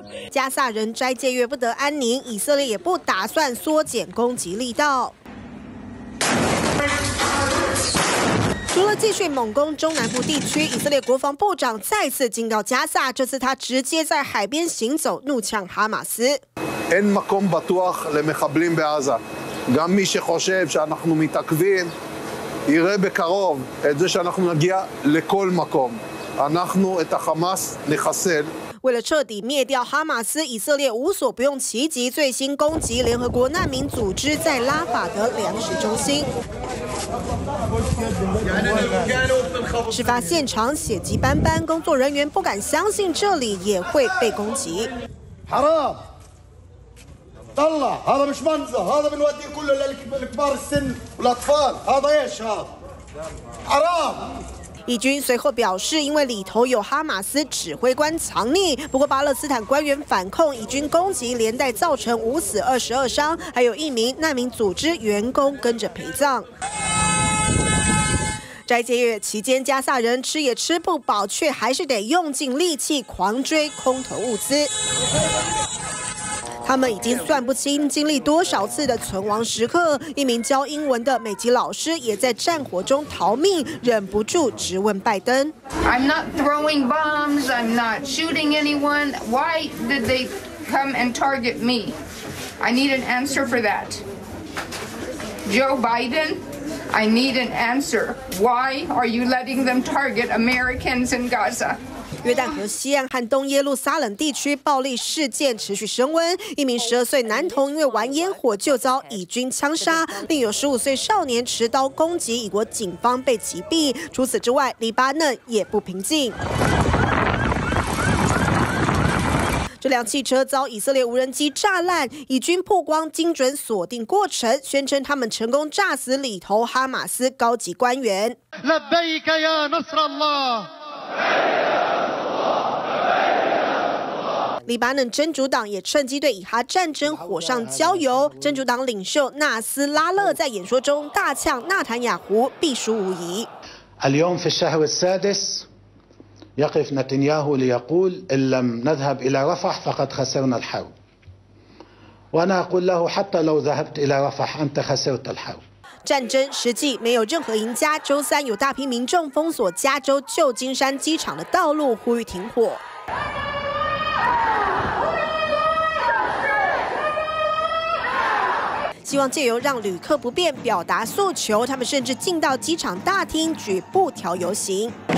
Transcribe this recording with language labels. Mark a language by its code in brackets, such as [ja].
[zh] 加萨人斋戒月不得安宁，以色列也不打算缩减攻击力道。除了继续猛攻中南部地区，以色列国防部长再次警告加萨，这次他直接在海边行走，怒呛哈马斯。 [he] אין מקום בטוח למחבלים בעזה. גם מי שחושב שאנחנו מתעכבים, יראה בקרוב את זה שאנחנו נגיע לכל מקום. אנחנו את החמאס נחסל. [zh] 为了彻底灭掉哈马斯，以色列无所不用其极，最新攻击联合国难民组织在拉法的粮食中心。事发现场血迹斑斑，工作人员不敢相信这里也会被攻击。 [ar] طلع هذا مش منظر هذا بنودي كله للكبار السن والاطفال هذا ايش هذا حرام [zh] 以军随后表示，因为里头有哈马斯指挥官藏匿。不过巴勒斯坦官员反控，以军攻击连带造成5死22伤，还有一名难民组织员工跟着陪葬。斋戒月期间，加萨人吃也吃不饱，却还是得用尽力气狂追空投物资。他们已经算不清经历多少次的存亡时刻，一名教英文的美籍老师也在战火中逃命，忍不住质问拜登。 [en] I'm not throwing bombs, I'm not shooting anyone. Why did they come and target me? I need an answer for that. Joe Biden, I need an answer. Why are you letting them target Americans in Gaza? [zh] 约旦河西岸和东耶路撒冷地区暴力事件持续升温，一名12岁男童因为玩烟火就遭以军枪杀，另有15岁少年持刀攻击以国警方被击毙。除此之外，黎巴嫩也不平静。这辆汽车遭以色列无人机炸烂，以军曝光精准锁定过程，宣称他们成功炸死里头哈马斯高级官员。黎巴嫩真主党也趁机对以哈战争火上浇油，真主党领袖纳斯拉勒在演说中大呛纳坦雅胡必输无疑。 [ar] اليوم في الشهر السادس يقف نتنياهو ليقول إن لم نذهب إلى رفح فقد خسرنا الحرب. وأنا أقول له حتى لو ذهبت إلى رفح أنت خسرت الحرب. [zh] 战争实际没有任何赢家。周三有大批民众封锁加州旧金山机场的道路，呼吁停火。希望借由让旅客不便表达诉求，他们甚至进到机场大厅举布条游行。